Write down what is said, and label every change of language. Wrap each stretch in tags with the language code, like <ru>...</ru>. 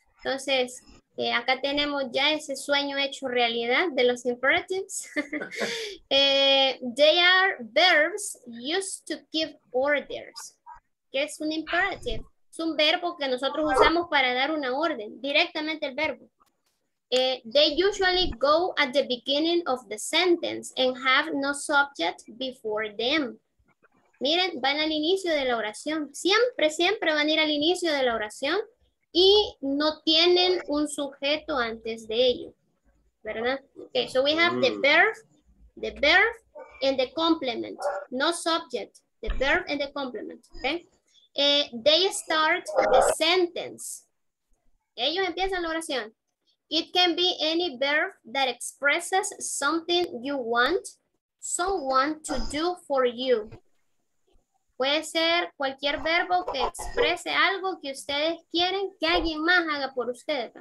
<es>Entonces, acá tenemos ya ese sueño hecho realidad de los imperatives.</es> <en>they are verbs used to give orders.</en> <es>¿Qué es un imperative? Es un verbo que nosotros usamos para dar una orden, directamente el verbo.</es> <en>They usually go at the beginning of the sentence and have no subject before them.</en> <es>Miren, van al inicio de la oración. Siempre, siempre van a ir al inicio de la oración y no tienen un sujeto antes de ello. ¿Verdad?</es> <en>Okay, so we have the verb and the complement. No subject. The verb and the complement. Okay? They start the sentence.</en> <es>Ellos empiezan la oración.</es> <en>It can be any verb that expresses something you want someone to do for you.</en> <es>Puede ser cualquier verbo que exprese algo que ustedes quieren que alguien más haga por ustedes.</es>